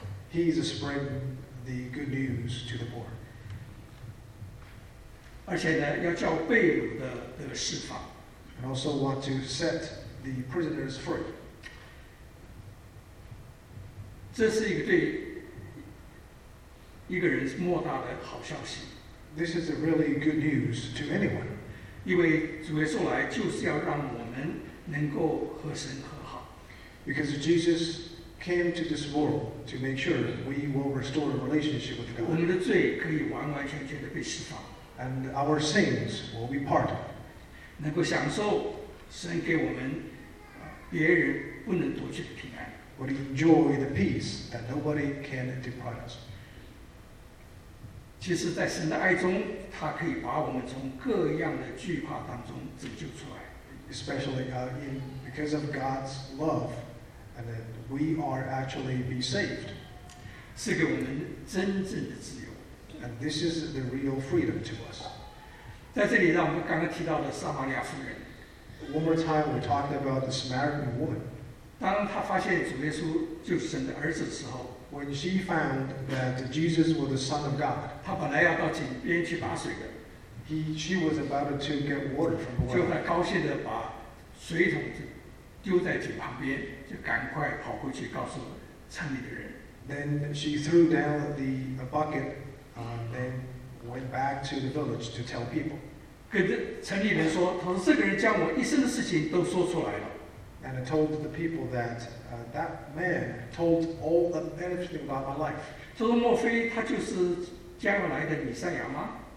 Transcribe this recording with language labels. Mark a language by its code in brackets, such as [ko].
[en] He is spreading the good news to the poor. [zh] 而且呢, [en] and also want to set the prisoners free. [zh] 这是一个对一个人莫大的好消息。 [en] This is a really good news to anyone. [zh] 因为主耶稣来就是要让我们能够和神和好。 [en] Because Jesus came to this world to make sure we will restore a relationship with God. [zh] 我们的罪可以完完全全地被释放。 [en] And our sins will be pardoned. [zh] 能够享受神给我们别人不能夺去的平安。 [en] Would enjoy the peace that nobody can deprive us. [zh] 其实在神的爱中,他可以把我们从各样的惧怕当中拯救出来。 [en] Especially because of God's love, and that we are actually be saved. [zh] 是给我们真正的自由。 [en] And this is the real freedom to us. [zh] 在这里让我们刚刚提到的撒玛利亚妇人。 [en] One more time, we're talking about the Samaritan woman. [zh] 当他发现主耶稣就是神的儿子的时候, [en] when she found that Jesus was the Son of God, [zh] 他本来要到井边去把水的, [en] she was about to get water from the well. [zh] 就很高兴地把水桶丢在井旁边, 就赶快跑过去告诉城里的人。 [en] Then she threw down the bucket, then went back to the village to tell people. [zh] 跟城里人说, 他说这个人将我一生的事情都说出来了。 [en] And I told the people that that man told all the everything about my life. [zh] 说莫非他就是将来的弥赛亚吗?